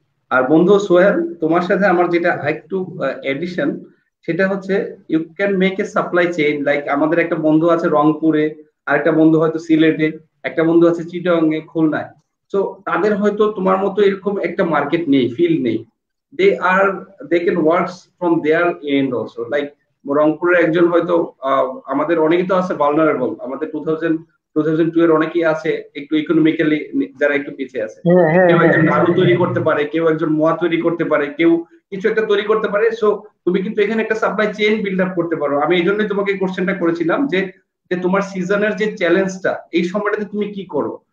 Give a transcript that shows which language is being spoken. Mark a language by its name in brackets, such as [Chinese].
[Bangla] আর বন্ধু সোহেল তোমার সাথে আমার যেটা একটু এডিশন, সেটা হচ্ছে [English] you can make a supply chain, [Bangla] like আমাদের একটা বন্ধু আছে রংপুরে, আর একটা বন্ধু হয়তো সিলেটে, একটা বন্ধু আছে চিটাগাং এ, খুলনায়, তো তাদের হয়তো তোমার মতো এরকম একটা মার্কেট নেই, ফিল্ড নেই, [English] they can work from their end also. [Bangla] Like রংপুরের একজন হয়তো আমাদের অনেকেই তো আছে ভালনারেবল, আমাদের 2002 এর অনেকেই আছে একটু ইকোনমিক্যালি যারা একটু পিছিয়ে আছে, কেউ একজন নাড়ু তৈরি করতে পারে, কেউ একজন মোয়া তৈরি করতে পারে, কেউ কিছু একটা তৈরি করতে পারে। সো তুমি কিন্তু এখানে একটা সাপ্লাই চেইন বিল্ড আপ করতে পারো। আমি এই জন্যই তোমাকে কোশ্চেনটা করেছিলাম যে যে তোমার সিজনের যে চ্যালেঞ্জটা এই সময়টাতে তুমি কি করো।